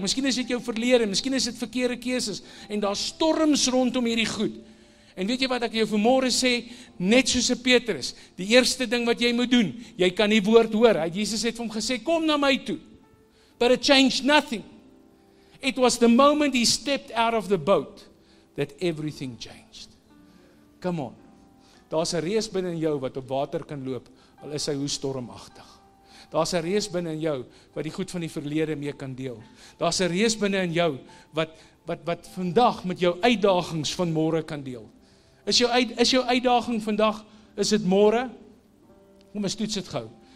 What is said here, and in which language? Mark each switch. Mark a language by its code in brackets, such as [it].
[af] Miskien is dit jou verlede. Miskien is dit verkeerde keuses. En daar's storms rondom hierdie goed. En weet jy wat ek jou vanmôre sê? Net soos Petrus. Die eerste ding wat jy moet doen, jy kan die woord hoor. Jesus het vir hom gesê, kom na my toe. [en] But it changed nothing. It was the moment he stepped out of the boat that everything changed. Come on. [af] Daar's 'n reus binne in jou wat op water kan loop, al is hy hoe stormagtig. Daar's 'n reus binne in jou wat die goed van die verlede mee kan deel. Daar's 'n reus binne in jou wat vandag met jou uitdagings van môre kan deel. Is jou uitdaging vandag, is dit môre? Kom ons toets dit gou.